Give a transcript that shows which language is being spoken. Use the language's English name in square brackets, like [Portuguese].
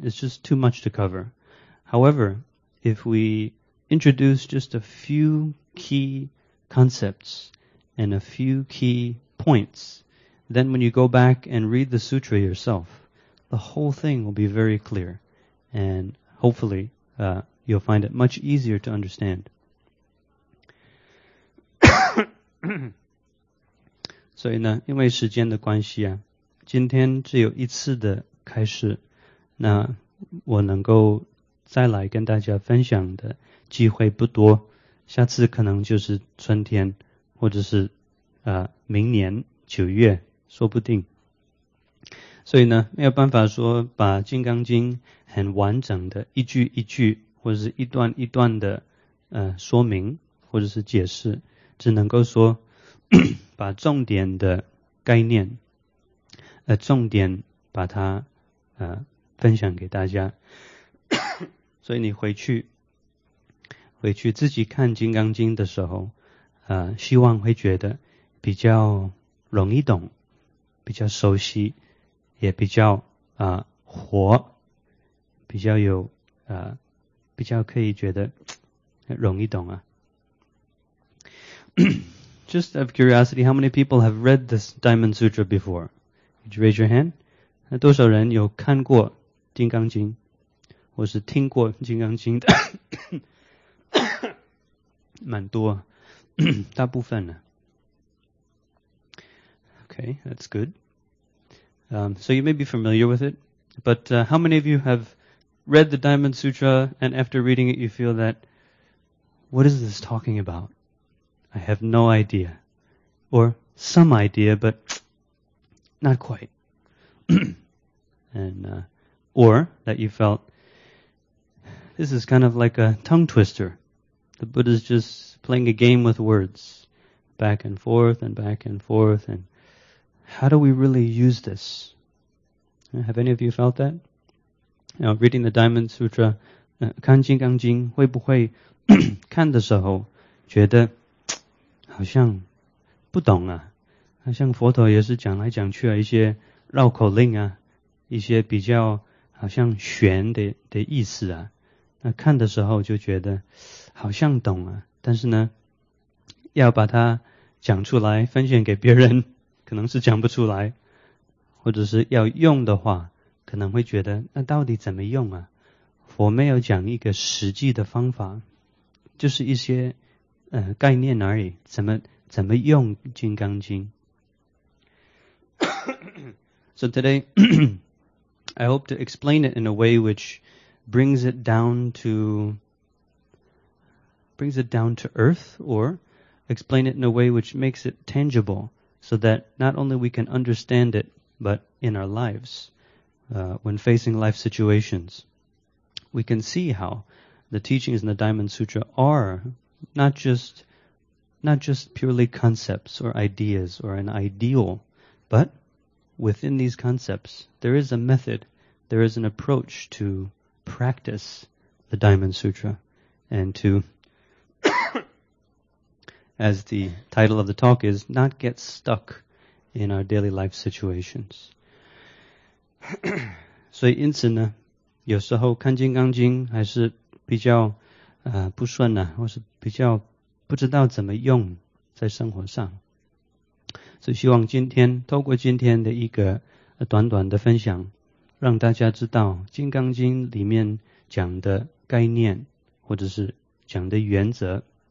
[English] It's just too much to cover. However, if we introduce just a few key concepts and a few key points, then when you go back and read the sutra yourself, the whole thing will be very clear, and hopefully, you'll find it much easier to understand. [Chinese] 所以呢，因为时间的关系啊，今天只有一次的开始，那我能够再来跟大家分享的机会不多，下次可能就是春天，或者是明年九月，说不定。所以呢，没有办法说把《金刚经》很完整的一句一句，或者是一段一段的说明或者是解释，只能够说把重点的概念重点把它分享给大家。所以你回去自己看金刚经的时候希望会觉得比较容易懂，比较熟悉，也比较活，比较有比较可以觉得容易懂啊。 [English] Just out of curiosity, how many people have read this Diamond Sutra before? Could you raise your hand? [Chinese] 多少人有看过《金刚经》或是听过《金刚经》的？蛮多，大部分呢。 [English] Okay, that's good. So you may be familiar with it, but how many of you have read the Diamond Sutra and after reading it you feel that, what is this talking about? I have no idea. Or some idea, but not quite. or that you felt, this is kind of like a tongue twister. The Buddha's just playing a game with words, back and forth and back and forth, and how do we really use this? Have any of you felt that? You know, reading the Diamond Sutra, [Chinese] 看金刚经会不会看的时候觉得好像不懂啊，好像佛陀也是讲来讲去啊，一些绕口令啊，一些比较好像玄的意思啊，那看的时候就觉得好像懂啊，但是呢要把它讲出来分享给别人可能是讲不出来，或者是要用的话可能会觉得那到底怎么用啊，佛没有讲一个实际的方法，就是一些概念而已，怎么用金刚经。 [English] So today, I hope to explain it in a way which brings it down to earth, or explain it in a way which makes it tangible, so that not only we can understand it, but in our lives, when facing life situations, we can see how the teachings in the Diamond Sutra are not just purely concepts or ideas or an ideal, but within these concepts, there is a method, there is an approach to practice the Diamond Sutra and to, as the title of the talk is, not get stuck in our daily life situations. [Chinese] 所以因此呢，有时候看金刚经还是比较不顺啊，或是比较不知道怎么用在生活上。所以希望今天透过今天的一个短短的分享，让大家知道金刚经里面讲的概念或者是讲的原则